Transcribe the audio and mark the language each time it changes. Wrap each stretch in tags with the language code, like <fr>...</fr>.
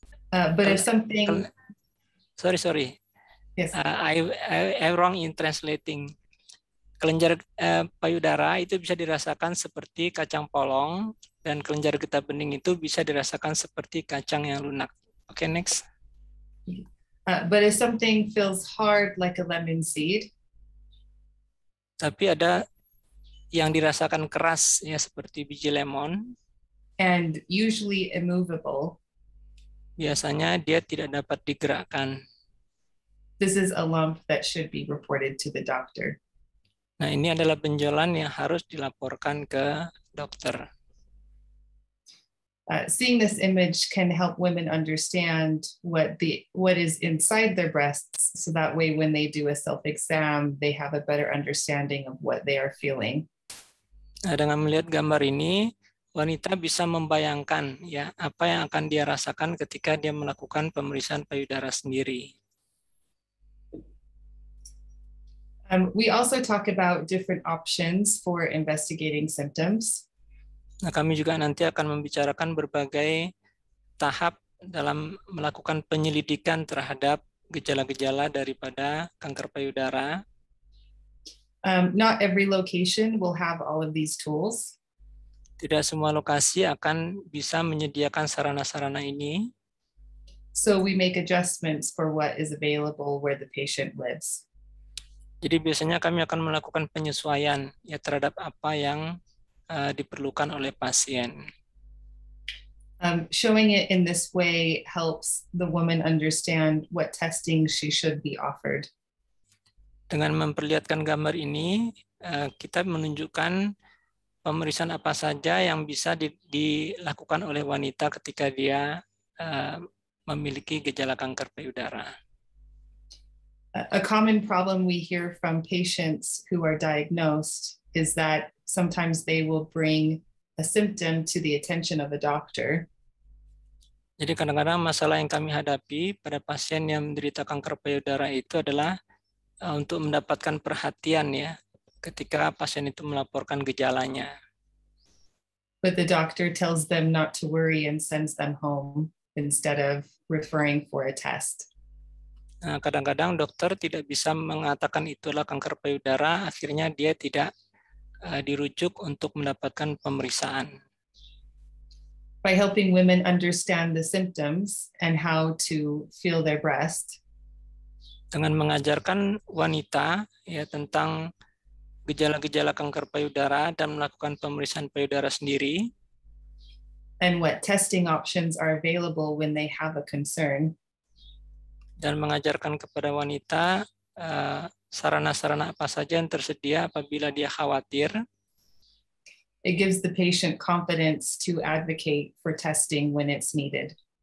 <en>But if something Sorry. Yes. I wrong in translating.</en> <id>Kelenjar payudara itu bisa dirasakan seperti kacang polong dan kelenjar getah bening itu bisa dirasakan seperti kacang yang lunak.</id> <en>Okay, next. But if something feels hard like a lemon seed.</en> <id>Tapi ada yang dirasakan keras ya seperti biji lemon.</id> <en>And usually immovable.</en> <id>Biasanya dia tidak dapat digerakkan.</id> <en>This is a lump that should be reported to the doctor.</en> <id>Nah, ini adalah benjolan yang harus dilaporkan ke dokter.</id> <en>Seeing this image can help women understand what is inside their breasts, so that way when they do a self-exam, they have a better understanding of what they are feeling.</en> <id>Nah, dengan melihat gambar ini, wanita bisa membayangkan ya apa yang akan dia rasakan ketika dia melakukan pemeriksaan payudara sendiri.</id> <en>We also talk about different options for investigating symptoms.</en> <id>Nah, kami juga nanti akan membicarakan berbagai tahap dalam melakukan penyelidikan terhadap gejala-gejala daripada kanker payudara.</id> <en>Not every location will have all of these tools.</en> <id>Tidak semua lokasi akan bisa menyediakan sarana-sarana ini.</id> <en>So we make adjustments for what is available where the patient lives.</en> <id>Jadi biasanya kami akan melakukan penyesuaian ya terhadap apa yang diperlukan oleh pasien.</id> <en>Showing it in this way helps the woman understand what testing she should be offered.</en> <id>Dengan memperlihatkan gambar ini, kita menunjukkan pemeriksaan apa saja yang bisa dilakukan oleh wanita ketika dia memiliki gejala kanker payudara.</id> <en>A common problem we hear from patients who are diagnosed is that sometimes they will bring a symptom to the attention of a doctor.</en> <id>Jadi kadang-kadang masalah yang kami hadapi pada pasien yang menderita kanker payudara itu adalah untuk mendapatkan perhatian ya ketika pasien itu melaporkan gejalanya.</id> <en>But the doctor tells them not to worry and sends them home instead of referring for a test.</en> <id>Nah, kadang-kadang dokter tidak bisa mengatakan itulah kanker payudara, akhirnya dia tidak dirujuk untuk mendapatkan pemeriksaan.</id> <en>By helping women understand the symptoms and how to feel their breast.</en> <id>Dengan mengajarkan wanita ya tentang gejala-gejala kanker payudara dan melakukan pemeriksaan payudara sendiri.</id> <en>And what testing options are available when they have a concern.</en> <id>Dan mengajarkan kepada wanita sarana-sarana apa saja yang tersedia apabila dia khawatir.</id> <en>It gives the patient confidence to advocate for testing when it's needed.</en>